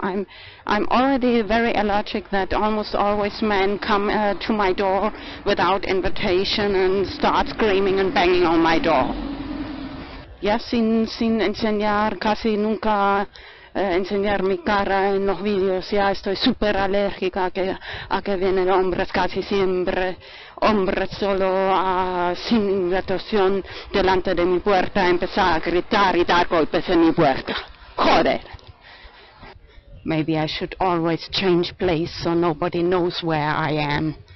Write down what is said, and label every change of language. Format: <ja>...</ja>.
<en>I'm already very allergic that almost always men come to my door without invitation and start screaming and banging on my door.</en> <es>Ya sin enseñar, casi nunca enseñar mi cara en los vídeos, ya estoy súper alérgica a que vienen hombres casi siempre, hombres solo sin invitación delante de mi puerta, empezar a gritar y dar golpes en mi puerta. ¡Joder!</es> <en>Maybe I should always change place so nobody knows where I am.</en>